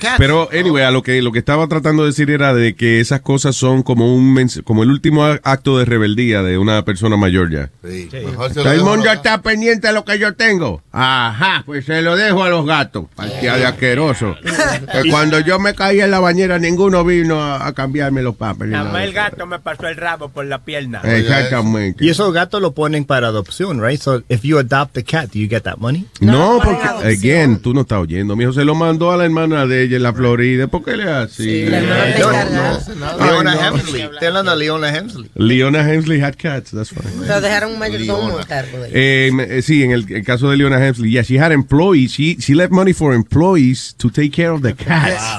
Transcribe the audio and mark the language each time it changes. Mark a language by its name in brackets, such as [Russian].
[Spanish] Pero, anyway, a lo que estaba tratando de decir era de que esas cosas son como el último acto de rebeldía de una persona mayor ya. Sí. El mundo está pendiente a lo que yo tengo. Ajá, pues se lo dejo a los gatos. Partida de asqueroso. Que cuando yo me caí en la bañera, ninguno vino a cambiarme los papeles. Nada más el gato me pasó el rabo por la pierna. Exactamente. Y esos gatos lo ponen para adopción. [English] Soon, right? So if you adopt a cat, do you get that money? [Spanish] No, porque again, tú no estás oyendo. Mi hijo se lo mandó a la hermana de ella en la Florida. ¿Por qué le hace? Sí, la hermana de ella. [English] Leona Hemsley. Telling a Leona Hemsley. Leona Hemsley had cats. That's funny. [Spanish] Lo dejaron un mayordomo en cargo de ella. Sí, en el caso de Leona Hemsley. [English] Yeah, she had employees. She left money for employees to take care of the cats.